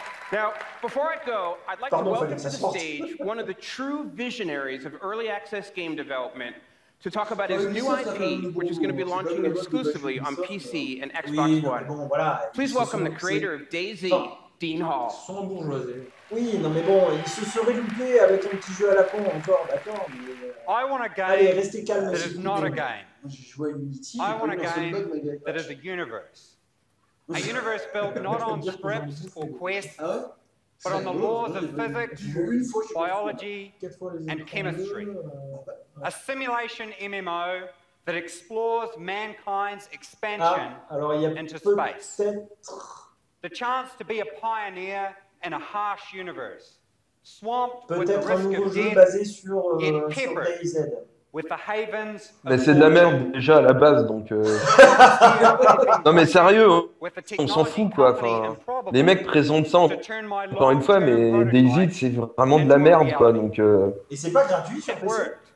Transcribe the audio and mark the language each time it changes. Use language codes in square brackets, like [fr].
[en] Now, before I go, I'd like to welcome to the stage one of the true visionaries of early access game development to talk about his new IP, which is going to be launching exclusively on PC and Xbox One. Please welcome the creator of DayZ, Dean Hall. [fr] Oui, non mais bon, il se serait loupé avec un petit jeu à la con encore, d'accord, mais... Allez, restez calme, [en] that is not a game. [fr] J'ai joué à Unity, [en] I want a game that is a universe. A universe built not on scripts or quests, but on the laws of physics, biology, and chemistry. A simulation MMO that explores mankind's expansion into space. The chance to be a pioneer in a harsh universe, swamped with the risk of death, yet peppered with the havens. [fr] Mais c'est de la merde déjà à la base, donc. Non mais sérieux, on s'en fout quoi. Enfin, les mecs présentent ça encore une fois, mais DayZ c'est vraiment de la merde quoi, donc. Et c'est pas gratuit sur PC.